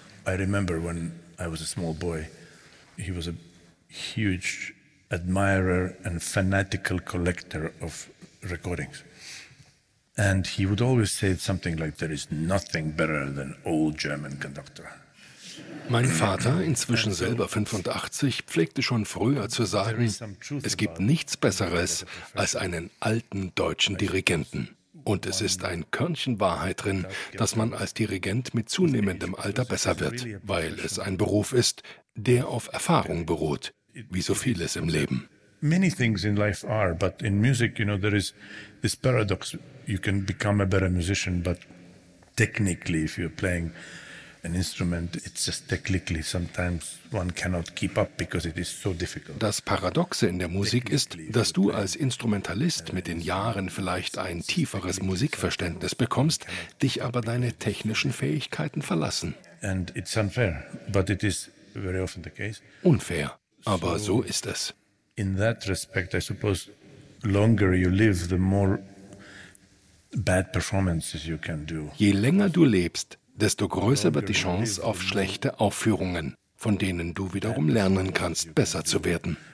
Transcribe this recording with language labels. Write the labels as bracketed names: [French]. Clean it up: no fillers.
[English] I remember when I was a small boy, he was a huge admirer and fanatical collector of recordings. And he would always say something like, there is nothing better than old German conductor. [German] Mein Vater, inzwischen selber 85, pflegte schon früher zu sagen, es gibt nichts Besseres als einen alten deutschen Dirigenten. Und es ist ein Körnchen Wahrheit drin, dass man als Dirigent mit zunehmendem Alter besser wird, weil es ein Beruf ist, der auf Erfahrung beruht, wie so vieles im Leben. [English] Many things in life are, but in music, you know, there is this paradox. You can become a better musician, but technically, if you're playing an instrument, it's just technically sometimes one cannot keep up because it is so difficult. [German] Das Paradoxe in der Musik ist, dass du als Instrumentalist mit den Jahren vielleicht ein tieferes Musikverständnis bekommst, dich aber deine technischen Fähigkeiten verlassen. [English] And it's unfair, but it is very often the case. [German] Unfair, aber so ist es. [English] In that respect, I suppose, longer you live, the more bad performances you can do. [German] Je länger du lebst, desto größer wird die Chance auf schlechte Aufführungen, von denen du wiederum lernen kannst, besser zu werden.